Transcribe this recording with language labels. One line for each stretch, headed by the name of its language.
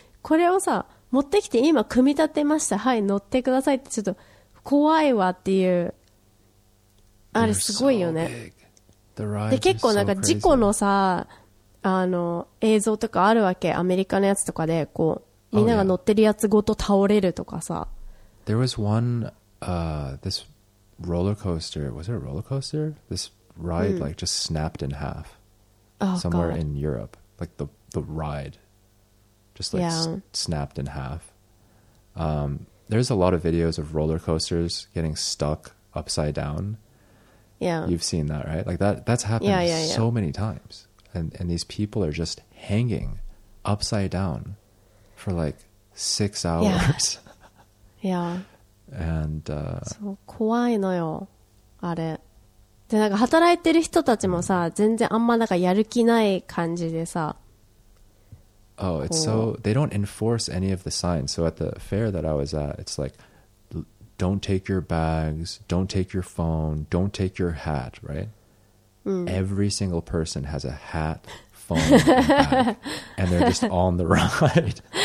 Japanese: これをさ、持ってきて今組み立てました。はい、乗ってくださいって、ちょっと怖いわっていう。あれすごいよね。で、結構なんか事故のさ、映像とかあるわけ。アメリカのやつとかで、こう、みんなが乗ってるやつごと倒れるとかさ。
English: There was one, this roller coaster. Was it a roller coaster? This... ride like just snapped in half somewhere in Europe, like the ride just like snapped in half. There's a lot of videos of roller coasters getting stuck upside down. Yeah, you've seen that, right? Like that's happened so many times, and these people are just hanging upside down for like 6 hours. Yeah. Yeah. And,
Japanese: そう、怖いのよ、あれ。で、なんか働いてる人たちもさ、全然あんまなんかやる気ない感じでさ。
English: Oh, it's so, they don't enforce any of the signs. So at the fair that I was at, it's like, don't take your bags, don't take your phone, don't take your hat, right? Every single person has a hat, phone, and bag, and they're just on the ride.